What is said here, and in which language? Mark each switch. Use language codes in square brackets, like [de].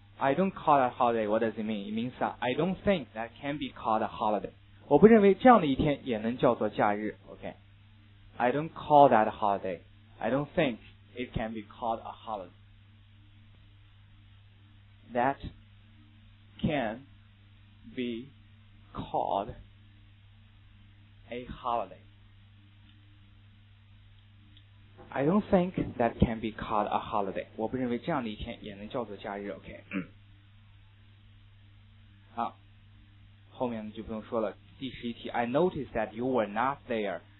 [en] I don't call that holiday， what does it mean？ It means that I don't think that can be called a holiday。 [zh] 我不认为这样的一天也能叫做假日。 [en] OK， I don't call that holiday， I don't think it can be called a holiday。 That can be。 Called a holiday. I don't think that can be called a holiday. [zh] 我不认为这样的一天也能叫做假日。OK， 好，后面就不用说了。第十一题 ， [en] I noticed that you were not there.